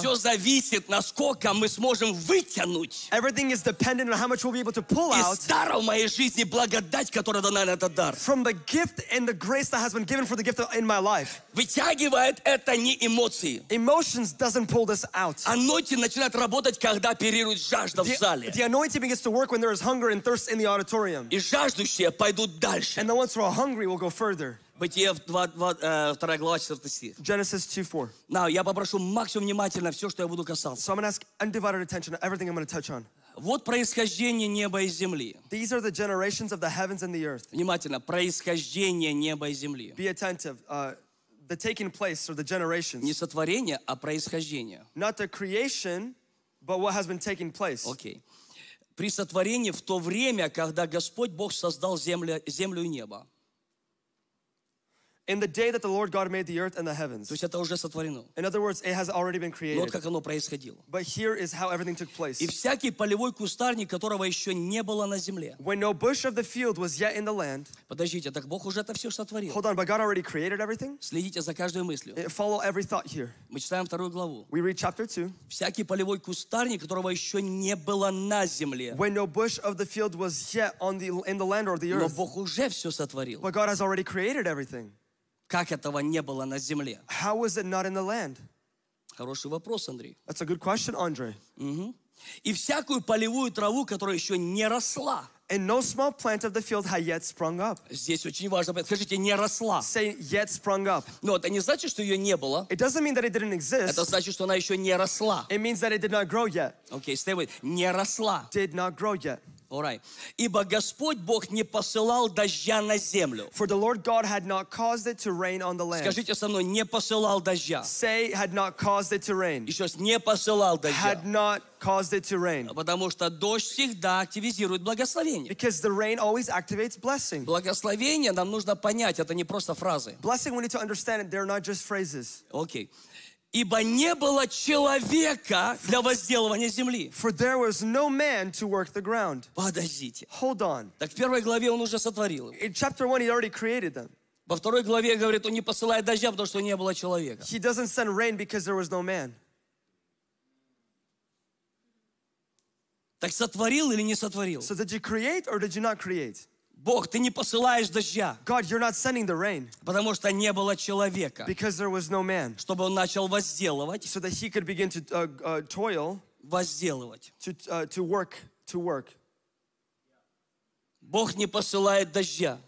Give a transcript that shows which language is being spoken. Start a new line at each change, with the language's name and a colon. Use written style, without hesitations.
Russian: Все зависит, насколько мы сможем вытянуть.
English: Everything is dependent on how much we'll be able to pull out.
Russian: Из дара в моей жизни благодать, которая дана на этот дар.
English: From the gift and the grace that has been given for the gift in my life.
Russian: Вытягивает это не эмоции.
English: Emotions doesn't pull this out.
Russian: Anointing начинает работать, когда оперирует жажда в зале.
English: The anointing begins to work when there is hunger and thirst in the auditorium.
Russian: И жаждущие пойдут дальше.
English: And the ones who are hungry will go further.
Russian: Бытие 2 глава 4 стих.
English: Genesis 2:4.
Russian: Now, я попрошу максимум внимательно все, что я буду касаться.
English: So I'm going to ask undivided attention to everything I'm going to touch on.
Russian: Вот происхождение неба и земли.
English: These are the generations of the heavens and the earth.
Russian: Внимательно, происхождение неба и земли.
English: Be attentive. The taking place or the generations.
Russian: Не сотворение, а происхождение.
English: Not the creation, but what has been taking place. Okay.
Russian: При сотворении в то время, когда Господь Бог создал землю и небо.
English: In the day that the Lord God made the earth and the heavens.
Russian: То есть это уже сотворено.
English: In other words, it has already been created.
Russian: Вот как оно происходило.
English: But here is how everything took place.
Russian: И всякий полевой кустарник, которого еще не было на земле.
English: When no bush of the field was yet in the land.
Russian: Подождите, так Бог уже это все сотворил.
English: Hold on, but God already created everything?
Russian: Следите за каждой мыслью.
English: Follow every thought here.
Russian: Мы читаем вторую главу.
English: We read chapter 2.
Russian: Всякий полевой кустарник, которого еще не было на земле.
English: When no bush of the field was yet in the land or the earth.
Russian: Но Бог уже все сотворил.
English: But God has already created everything.
Russian: Как этого не было на земле?
English: How was it not in the land?
Russian: Хороший вопрос, Андрей.
English: That's a good question, Andrey.
Russian: И всякую полевую траву, которая еще не росла.
English: And no small plant of the field had yet sprung up.
Russian: Здесь очень важно, скажите, не росла.
English: Say yet sprung up.
Russian: Но это не значит, что ее не было.
English: It doesn't mean that it didn't exist.
Russian: Это значит, что она еще не росла.
English: It means that it did not grow yet. Okay, stay with it.
Russian: Не росла.
English: Did not grow yet. Alright.
Russian: Ибо Господь Бог не посылал дождя на землю.
English: For the Lord God had not caused it to rain on the land.
Russian: Скажите со мной, не посылал дождя.
English: Say had not caused it to rain.
Russian: Еще раз, не посылал дождя.
English: Had not caused it to rain.
Russian: Потому что дождь всегда активизирует благословение.
English: Because the rain always activates blessing.
Russian: Благословение нам нужно понять, это не просто фразы.
English: Blessing we need to understand, they're not just phrases. Okay.
Russian: Ибо не было человека для возделывания земли.
English: For there was no man to work the ground.
Russian: Подождите.
English: Hold on.
Russian: Так в первой главе он уже сотворил их.
English: In chapter 1 he already created them.
Russian: Во второй главе говорит, он не посылает дождя, потому что не было человека.
English: He doesn't send rain because there was no man.
Russian: Так сотворил или не сотворил?
English: So did you create or did you not create?
Russian: Бог, ты не посылаешь дождя.
English: God, you're not sending the rain.
Russian: Потому что не было человека.
English: Because there was no man.
Russian: Чтобы он начал возделывать.
English: So that he could begin to toil.
Russian: Возделывать.
English: To work.
Russian: Бог не посылает дождя.